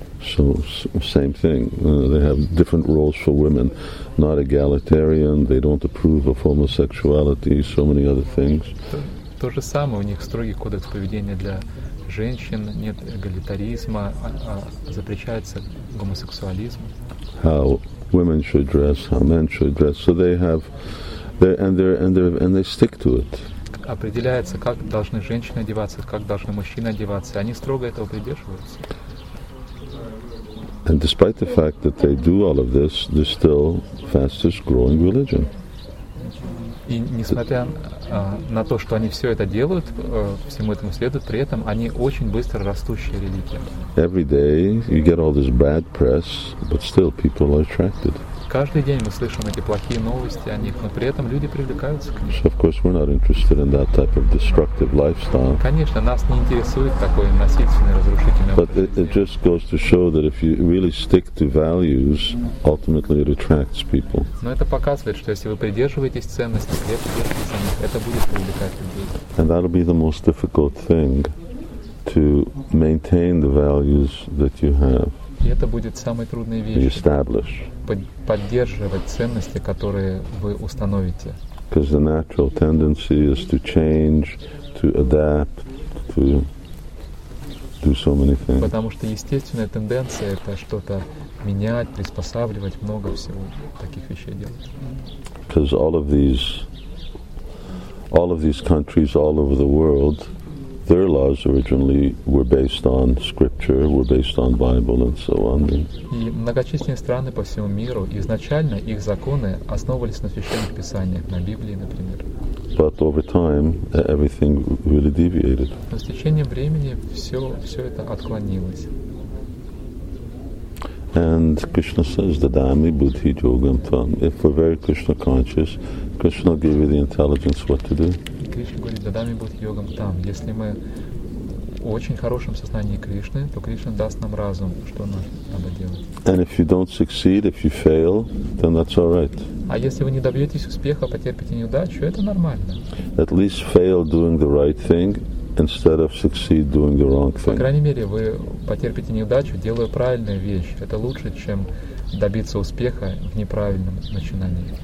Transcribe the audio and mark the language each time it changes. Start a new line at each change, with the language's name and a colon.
English: So same thing. They have different roles for women. Not egalitarian. They don't approve of homosexuality. So many other things.
Russian: То же самое. У них строгий кодекс поведения для женщин. Нет эгалитаризма. Запрещается гомосексуализм.
English: How women should dress, how men should dress. So they have, they stick to it.
Russian: Определяется, как должны женщины одеваться, как должны мужчины одеваться. Они строго этого придерживаются.
English: And despite the fact that they do all of this, they're still fastest growing religion.
Russian: И несмотря на то, что они все это делают, всему этому следуют, при этом они очень быстро растущая религия.
English: Every day you get all this bad press, but still people are attracted.
Russian: Каждый день мы слышим эти плохие новости о них, но при этом люди привлекаются к ним.
English: So of course we're not interested in that type of destructive lifestyle.
Russian: Конечно, нас не интересует такой насильственный, разрушительный
English: But it just goes to show that if you really stick to values, ultimately it attracts people.
Russian: Но это показывает, что если вы придерживаетесь ценностей, крепко них, это будет привлекать людей.
English: And that'll be the most difficult thing, to maintain the values that you have.
Russian: И это будет самой трудной вещью. Поддерживать ценности, которые вы установите.
English: Because the natural tendency is to change, to adapt, to do so many things.
Russian: Потому что естественная тенденция – это что-то менять, приспосабливать, много всего таких вещей делать.
English: Because all of these countries all over the world, their laws originally were based on scripture, were based on Bible and so on.
Russian: И многочисленные страны по всему миру изначально их законы основывались на священных писаниях, на Библии, например.
English: But over time everything really deviated.
Russian: Но с течением времени все это отклонилось.
English: And Krishna says,
Sanskrit: Dadami Buddhi Yogam Tvam.
English: If we're very Krishna conscious, Krishna will give you the intelligence what to do.
Russian: Кришна говорит,
Sanskrit: Дадами будет йогам там.
Russian: Если мы в очень хорошем сознании Кришны, то Кришна даст нам разум, что нам надо делать.
English: And if you don't succeed, if you fail, then that's all right.
Russian: А если вы не добьетесь успеха, потерпите неудачу, это нормально.
English: At least fail doing the right thing instead of succeed doing the wrong thing.
Russian: По крайней мере, вы потерпите неудачу, делая правильную вещь. Это лучше, чем добиться успеха в неправильном начинании.